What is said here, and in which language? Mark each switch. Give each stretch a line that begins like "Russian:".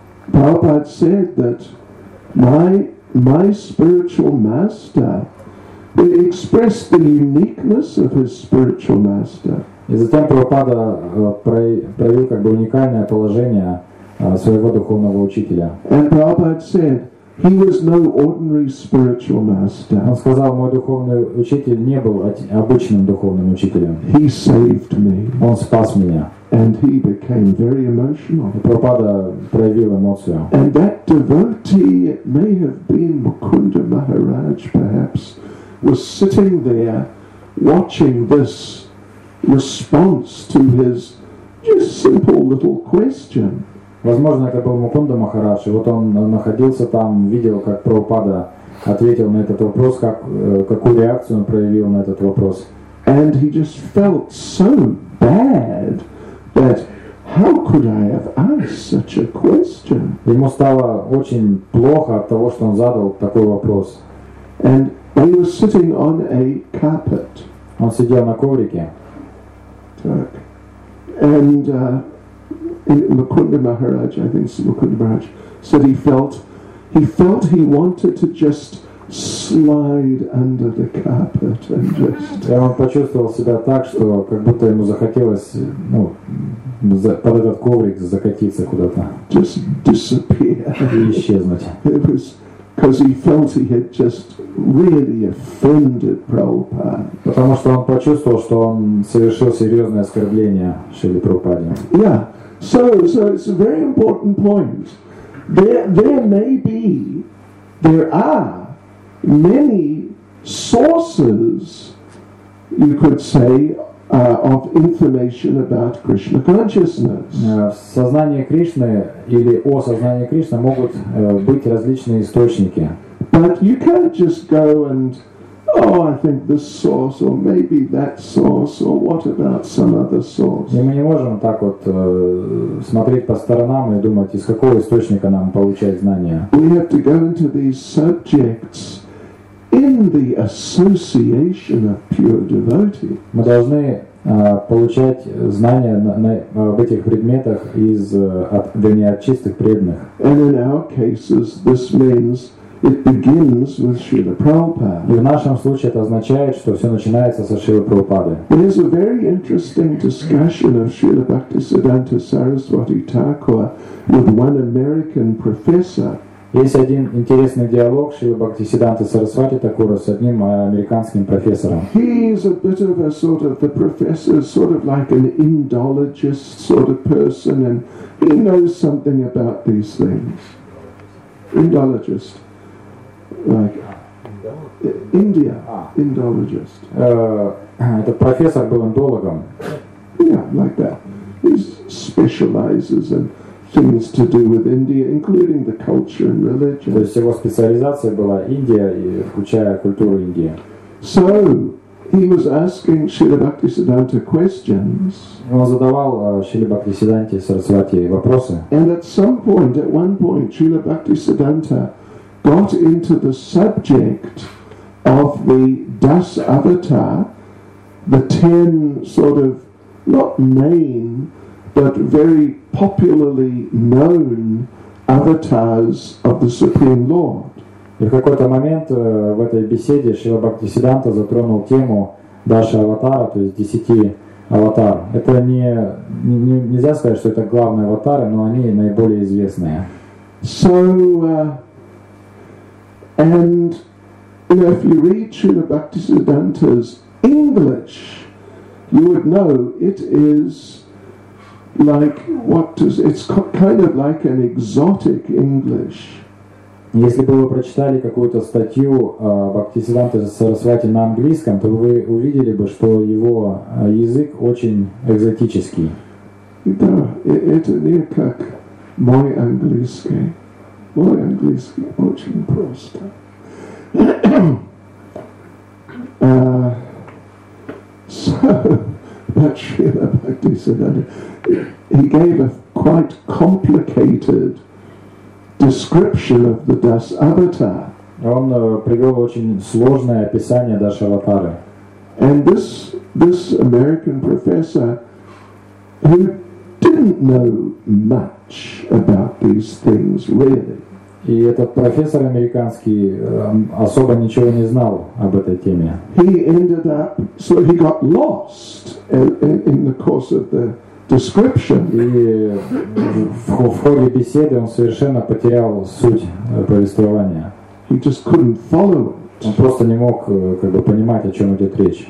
English: Prabhupada said that my spiritual master expressed the uniqueness of his spiritual master.
Russian: И затем Прабхупада проявил как бы уникальное положение своего духовного учителя.
English: And Prabhupada said he was no ordinary spiritual master.
Russian: Он сказал: мой духовный учитель не был обычным духовным учителем.
English: He saved me.
Russian: Он спас меня.
English: And he became very emotional.
Russian: И Прабхупада проявил эмоцию.
English: And that devotee, it may have been Mukunda Maharaj, perhaps, was sitting there watching this response to his just simple little question.
Russian: Возможно, это был Мукунда Махарадж. Вот он находился там, видел, как Прабхупада ответил на этот вопрос, какую реакцию он проявил на этот вопрос.
English: And he just felt so bad that how could I have asked such a question?
Russian: Ему стало очень плохо от того, что он задал такой вопрос.
English: And he was sitting on a carpet.
Russian: Он сидел на коврике. Так.
English: And Mukunda Maharaj, I think Mukunda Maharaj, said he felt he wanted to just slide under the carpet and just.
Russian: И он почувствовал себя так, что как будто ему захотелось, ну, под этот коврик закатиться куда-то.
English: Just disappear.
Russian: И исчезнуть.
English: Because he felt he had just really offended Prabhupada.
Russian: Потому что он почувствовал, что он совершил серьезное оскорбление Шриле Прабхупаде.
English: Yeah. So it's a very important point. There are many sources, you could say, of information about Krishna consciousness.
Russian: В сознании Кришны или о сознании Кришны могут быть различные источники.
English: But you can't just go and, oh, I think this source or maybe that source or what about some other source?
Russian: Мы не можем так вот смотреть по сторонам и думать, из какого источника нам получать знания.
English: We have to go into these subjects in the association of pure devotee.
Russian: Мы должны получать знания об этих предметах от чистых преданных.
English: And in our cases, this means It begins with Srila Prabhupada.
Russian: И в нашем случае это означает, что все начинается со Шрилы Прабхупады.
English: There is a very interesting discussion of Srila Bhaktisiddhanta Saraswati Thakur with one American professor.
Russian: Есть один интересный диалог Шрилы Бхактисиддханты Сарасвати Такура с одним американским профессором.
English: He is a bit of a sort of the professor, sort of like an Indologist sort of person, and he knows something about these things. Indologist. Like India, Indologist.
Russian: Этот профессор был индологом.
English: Yeah, like that. He specializes in things to do with India, including the culture and religion.
Russian: То есть его специализация была Индия, включая культуру Индии.
English: So he was asking Srila Bhaktisiddhanta questions.
Russian: Он задавал Шриле Бхактисиддханте Сарасвати вопросы.
English: And at one point, Srila Bhaktisiddhanta got into the subject of the Das Avatar, the 10 sort of not main but very popularly known avatars of the Supreme Lord.
Russian: И в какой-то момент в этой беседе Шрила Бхактисиддханта затронул тему Даша Аватара, то есть 10 аватар. Это нельзя сказать, что это главные аватары, но они наиболее известные.
English: And you know, if you read Srila Bhaktisiddhanta's English, you would know it is like it's kind of like an exotic English.
Russian: Если бы вы прочитали какую-то статью Бхактисиддханты Сарасвати на английском, то вы увидели бы, что его язык очень экзотический. Да, это не как мой английский. Мой английский очень просто.
English: But Srila Bhaktisiddhanta, he gave a quite complicated description of the Das Avatar.
Russian: Он привел очень сложное описание Даш Аватара.
English: And this American professor, who didn't know much about these things really.
Russian: И этот профессор американский особо ничего не знал об этой теме.
English: He ended up, so he got lost in the course of the description.
Russian: И в ходе беседы он совершенно потерял суть повествования.
English: He just couldn't follow it.
Russian: Он просто не мог понимать, о чем идет речь.